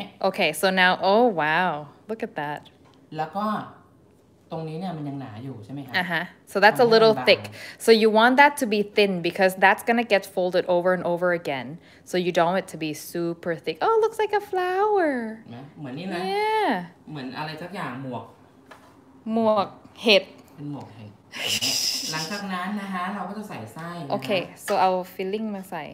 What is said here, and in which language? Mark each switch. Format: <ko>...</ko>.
<en>okay so now oh wow look at that</en> <th>แล้วก็ ตรงนี้เนี่ยมันยังหนาอยู่ใช่ไหมคะ</th> <en>so that's a little thick so you want that to be thin because that's gonna get folded over and over again so you don't want it to be super thick oh looks like a flower</en> <th>เหมือนนี่นะ</th> <en>yeah</en> <th>เหมือนอะไรสักอย่างหมวก หมวกเห็ด เป็นหมวกเห็ดหลังจากนั้นนะคะเราก็จะใส่ไส้</th> <en>okay so</en> <th>เอา</th> <en>filling</en> <th>มาใส่</th>